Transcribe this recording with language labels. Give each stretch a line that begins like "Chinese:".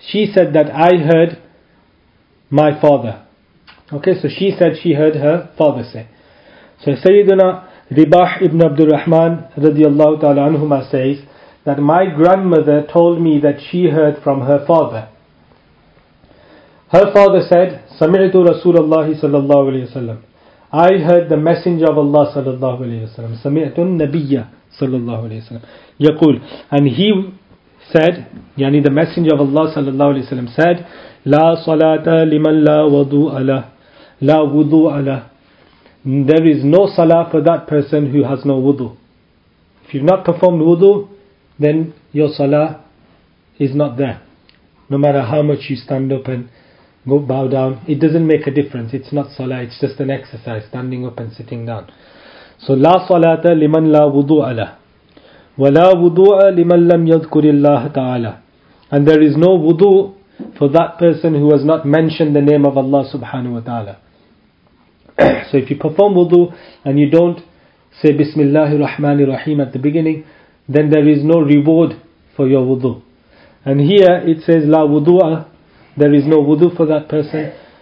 English: She said that I heard my father. Okay, so she said she heard her father say. So Sayyidina Ribah ibn Abdul Rahman radiallahu ta'ala anhuma says that my grandmother told me that she heard from her father. Her father said,
Arabic: سَمِعْتُ رَسُولَ اللَّهِ صَلَى اللَّهُ عَلَيْهِ وَسَلَّمُ.
English: I heard the Messenger of Allah sallallahu alayhi wa sallam.
Arabic: Sami'tu an-Nabiyya sallallahu alayhi wa sallam. Yaqul.
English: And he said, yani the Messenger of Allah sallallahu alayhi wa sallam said,
Arabic: La salata liman la wudu'a lah. La wudu'a lah.
English: There is no salah for that person who has no wudu. If you've not performed wudu, then your salah is not there. No matter how much you stand up and go bow down, it doesn't make a difference. It's not salah, it's just an exercise, standing up and sitting down. So,
Arabic: لا صلاة لمن لا وضوء له ولا وضوء لمن لم يذكر الله تعالى.
English: And there is no wudu for that person who has not mentioned the name of Allah subhanahu wa ta'ala. So, if you perform wudu and you don't say Bismillahir Rahmanir Rahim at the beginning, then there is no reward for your wudu. And here it says
Arabic: la wudu'a,
English: there is no wudu for that person.